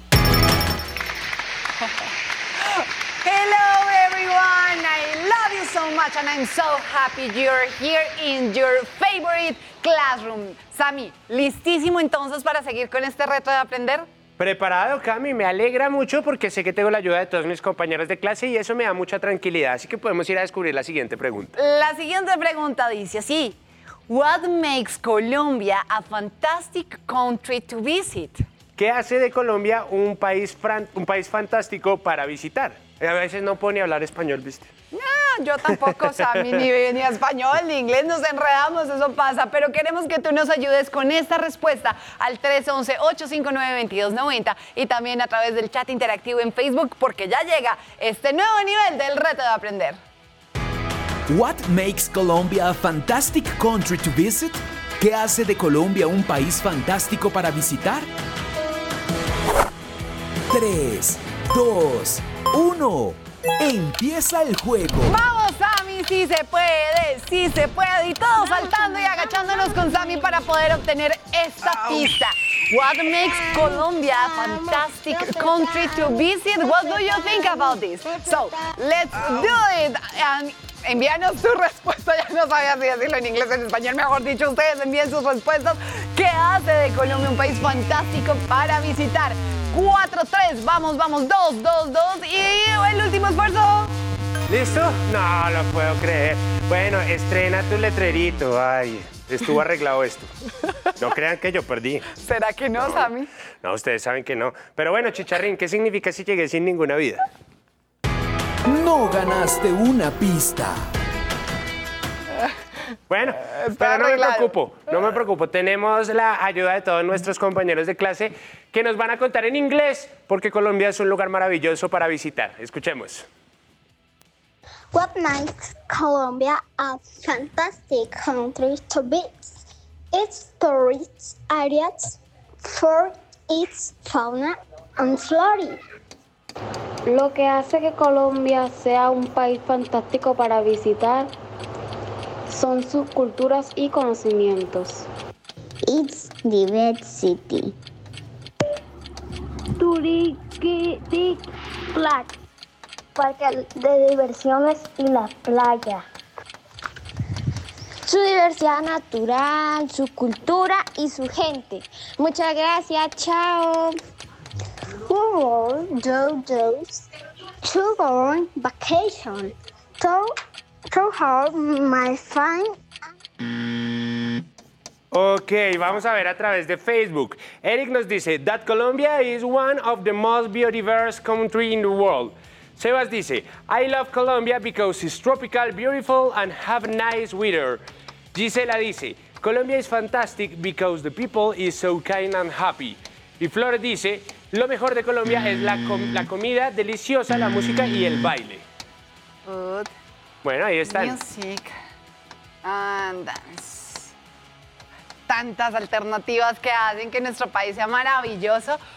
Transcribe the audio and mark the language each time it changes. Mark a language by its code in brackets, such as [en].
[en] Hello everyone, I love you so much and I'm so happy you're here in your favorite classroom. [es] Sammy, ¿listísimo entonces para seguir con este reto de aprender? Preparado, Cami, me alegra mucho porque sé que tengo la ayuda de todos mis compañeros de clase y eso me da mucha tranquilidad, así que podemos ir a descubrir la siguiente pregunta. La siguiente pregunta dice así: [en] What makes Colombia a fantastic country to visit? [es] ¿Qué hace de Colombia un país fantástico para visitar? A veces no puedo ni hablar español, ¿viste? No, yo tampoco, Sammy, ni español, ni inglés, nos enredamos, eso pasa. Pero queremos que tú nos ayudes con esta respuesta al 311-859-2290 y también a través del chat interactivo en Facebook, porque ya llega este nuevo nivel del reto de aprender. [en] What makes Colombia a fantastic country to visit? [es] ¿Qué hace de Colombia un país fantástico para visitar? 3, 2, 1... ¡Empieza el juego! ¡Vamos, Sammy! ¡Sí se puede! ¡Sí se puede! Y todos saltando y agachándonos con Sammy para poder obtener esta pista. [en] What makes Colombia a fantastic country to visit? What do you think about this? So, let's do it! [es] And envíanos su respuesta. Ya no sabía si decirlo en inglés o en español. Mejor dicho, ustedes envíen sus respuestas. ¿Qué hace de Colombia un país fantástico para visitar? 4, 3, vamos, vamos, 2, 2, 2 y el último esfuerzo. ¿Listo? No lo puedo creer. Bueno, estrena tu letrerito. Ay, estuvo arreglado esto. No crean que yo perdí. ¿Será que no, Sammy? No, ustedes saben que no. Pero bueno, Chicharrín, ¿qué significa si llegué sin ninguna vida? No ganaste una pista. Bueno, pero no me preocupo, no me preocupo. Tenemos la ayuda de todos nuestros compañeros de clase que nos van a contar en inglés porque Colombia es un lugar maravilloso para visitar. Escuchemos. [en] What makes Colombia a fantastic country to visit? Its tourist areas for its fauna and flora. [es] Lo que hace que Colombia sea un país fantástico para visitar son sus culturas y conocimientos. [en] It's diversity. Turistic place. [es] Parque de diversiones y la playa. Su diversidad natural, su cultura y su gente. Muchas gracias. Chao. [en] Who wants to go to go on vacation? To help my friend. [es] Ok, vamos a ver a través de Facebook. Eric nos dice: [en] That Colombia is one of the most biodiverse country in the world. [es] Sebas dice, [en] I love Colombia because it's tropical, beautiful, and have nice weather. [es] Gisela dice, [en] Colombia is fantastic because the people is so kind and happy. [es] Y Flores dice, lo mejor de Colombia es la comida deliciosa, la música y el baile. [en] Food. [es] Bueno, ahí están. [en] Music and dance. [es] Tantas alternativas que hacen que nuestro país sea maravilloso.